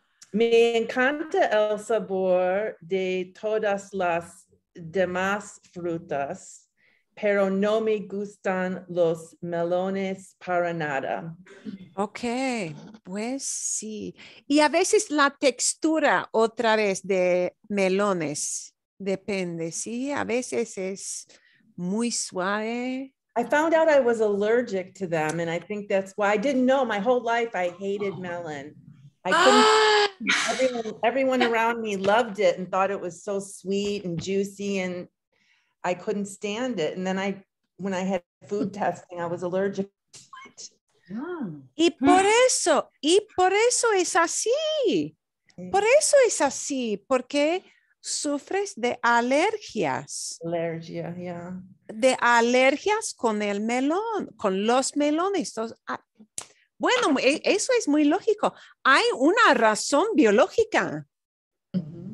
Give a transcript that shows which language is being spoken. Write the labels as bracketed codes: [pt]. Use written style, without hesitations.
[es] Me encanta el sabor de todas las demás frutas, pero no me gustan los melones para nada. Ok, pues sí. Y a veces la textura otra vez de melones depende, ¿sí? A veces es muy suave. [en] I found out I was allergic to them, and I think that's why I didn't know. My whole life I hated melon. I couldn't, everyone around me loved it and thought it was so sweet and juicy, and I couldn't stand it. And then I, when I had food testing, I was allergic to it. [es] Y por eso, es así. Por eso es así, porque sufres de alergias. Alergia, yeah. De alergias con el melón, con los melones. Bueno, eso es muy lógico. Hay una razón biológica. Mm-hmm.